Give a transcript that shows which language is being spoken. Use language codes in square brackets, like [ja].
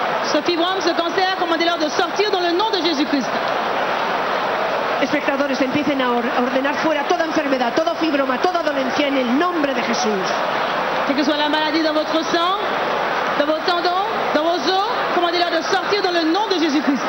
[fr] ce fibrome, ce cancer, commandez-leur de sortir dans le nom de Jésus-Christ. [es] Espectadores, empiecen a ordenar fuera toda enfermedad, todo fibroma, toda dolencia en el nombre de Jesús. [fr] Que soit la maladie dans votre sang, dans vos tendons, dans vos os, commandez-leur de sortir dans le nom de Jésus-Christ.